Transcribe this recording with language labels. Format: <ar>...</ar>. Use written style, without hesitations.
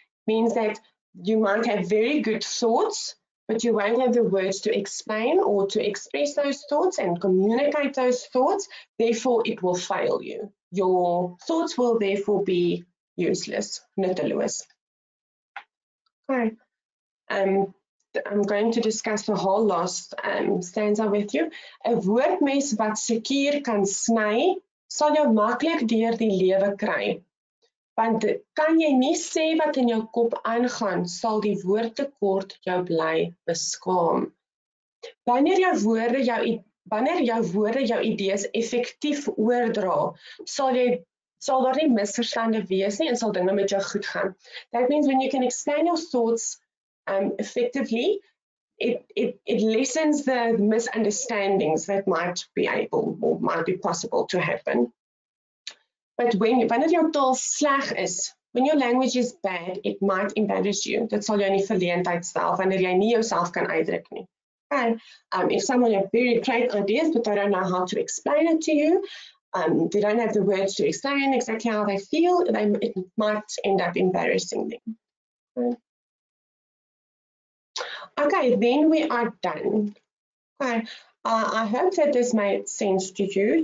<en>Means that you might have very good thoughts, but you won't have the words to explain or to express those thoughts and communicate those thoughts, therefore it will fail you. Your thoughts will therefore be useless, nutteloos. Okay, I'm going to discuss the whole last stanza with you.</en> <af>'N woordmes wat sekuur kan sny, sal jou maklik deur die lewe kry. Want kan jy nie sê wat in jou kop aangaan, sal die woord tekort jou bly beskaam. Wanneer jou woorde jou idees effektief oordra, sal daar nie misverstande wees nie en sal dinge met jou goed gaan.</af> <en>That means when you can explain your thoughts effectively, it lessens the misunderstandings that might be possible to happen. But</en> <af>wanneer jou taal sleg is,</af> <en>when your language is bad, it might embarrass you.</en> <af>Dit sal jou in die verleentheid stel, wanneer jy nie jouself kan uitdruk nie.</af> <en>If someone has very great ideas, but they don't know how to explain it to you, they don't have the words to explain exactly how they feel, it might end up embarrassing them. Okay, then we are done. Okay, I hope that this made sense to you.</en>